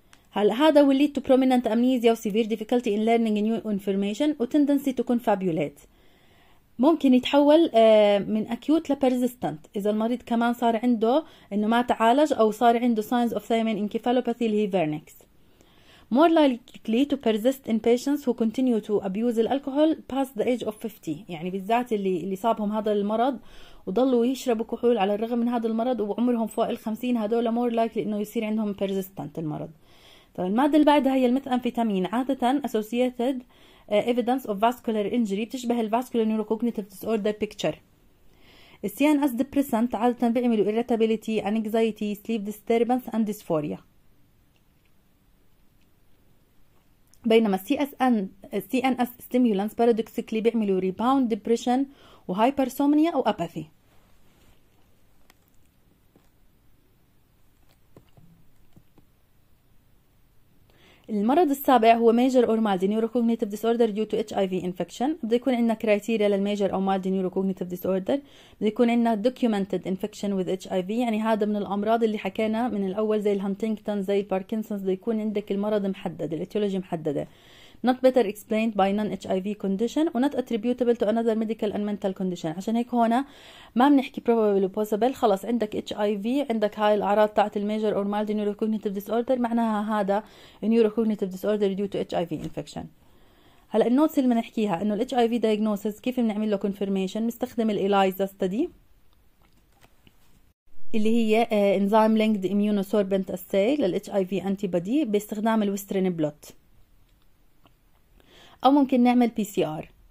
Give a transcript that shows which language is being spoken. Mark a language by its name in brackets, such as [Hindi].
[Arabic] هل هذا [English] will lead to prominent amnesia or severe difficulty in learning new information or tendency to confabulate. [Arabic] ممكن يتحول من acute لpersistent إذا المريض كمان صار عنده إنه ما تعالج أو صار عنده [English] signs of thiamine encephalopathy [Arabic] اللي هي vernix. [English] More likely to persist in patients who continue to abuse the alcohol past the age of 50. [Arabic] يعني بالذات اللي صابهم هذا المرض وضلوا يشربوا كحول على الرغم من هذا المرض وعمرهم فوق الخمسين هذول [English] more likely [Arabic] إنه يصير عندهم persistent المرض. طيب المادة اللي بعدها هي الميثامفيتامين عادة [English] associated evidence of vascular injury [Arabic] بتشبه الvascular neurocognitive disorder picture. [English] CNS depressant [Arabic] عادة بيعملوا [English] irritability, anxiety, sleep disturbance and dysphoria. بينما CNS stimulants paradoxically بيعملوا rebound depression وhypersomnia أو apathy. [Arabic] المرض السابع هو [English] major or mild neurocognitive disorder due to HIV infection. [Arabic] بده يكون عندنا كرايتيريا للmajor أو mild neurocognitive disorder. بده يكون عندنا [English] documented infection with HIV. [Arabic] يعني هذا من الأمراض اللي حكينا من الأول زي الهانتينغتون زي الباركنسونز بده يكون عندك المرض محدد الاتيولوجي محددة. [English] Not better explained by non-HIV condition or not attributable to another medical and mental condition. [Arabic] عشان هيك هنا ما بنحكي [English] probable or possible. [Arabic] خلاص عندك HIV عندك هاي الأعراض تاعت الميجر أو مالدي neurocognitive disorder معناها هذا neurocognitive disorder [English] due to HIV infection. [Arabic] هلا النوتس اللي بنحكيها انه ال HIV diagnosis كيف بنعمل له confirmation بنستخدم ال ELISA study اللي هي enzyme linked immunosorbent assay لل HIV antibody باستخدام ال Western blot أو ممكن نعمل PCR.